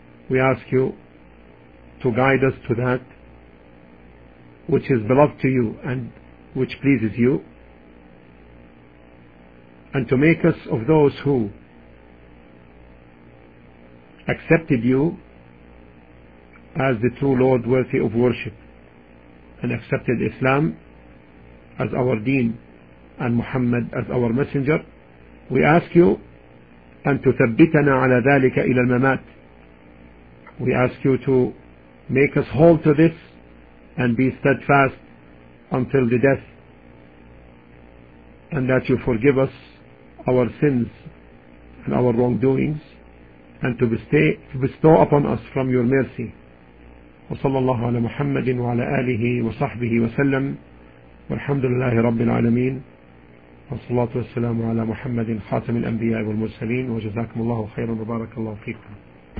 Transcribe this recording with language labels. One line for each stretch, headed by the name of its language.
English: We ask you to guide us to that which is beloved to you and which pleases you, and to make us of those who accepted you as the true Lord worthy of worship, and accepted Islam as our deen and Muhammad as our messenger. We ask you
Arabic: أن تثبتنا على ذلك إلى الممات.
English: We ask you to make us hold to this and be steadfast until the death, and that you forgive us our sins and our wrongdoings, and to bestow upon us from your mercy.
Arabic: وصلى الله على محمد وعلى آله وصحبه وسلم والحمد لله رب العالمين والصلاة والسلام على محمد خاتم الأنبياء والمرسلين وجزاكم الله خيرا وبارك الله فيكم.